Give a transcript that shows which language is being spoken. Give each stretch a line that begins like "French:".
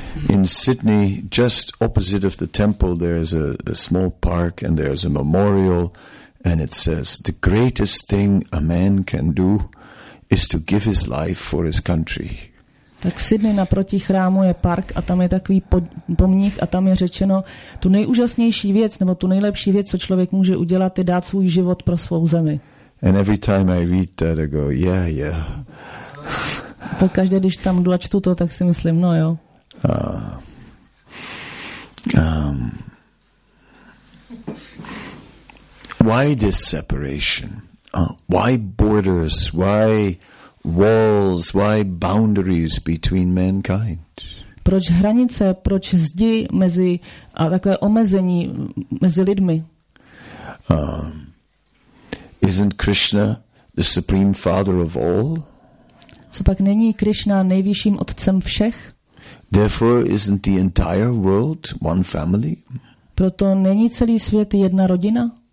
English: In Sydney, just opposite of the temple, there is a small park and there is a memorial, and it says the greatest thing a man can do is to give his life for his country.
Czech: Tak v Sydney naproti chrámu je park a tam je takový pomník a tam je řečeno, tu nejúžasnější věc nebo tu nejlepší věc, co člověk může udělat, je dát svůj život pro svou zemi.
English: And every time I read that, I go, yeah, yeah.
Czech: Pokaždé, když tam jdu a čtu to, tak si myslím, no jo.
English: Why this separation? Why borders? Why walls? Why boundaries between mankind?
Czech: Proč hranice? Proč zdi mezi a takové omezení mezi lidmi?
English: Isn't Krishna the supreme father of all?
Czech: Copak není Krishna nejvyšším otcem všech?
English: Therefore, isn't the entire world one family?
Czech: Proto není celý svět jedna rodina?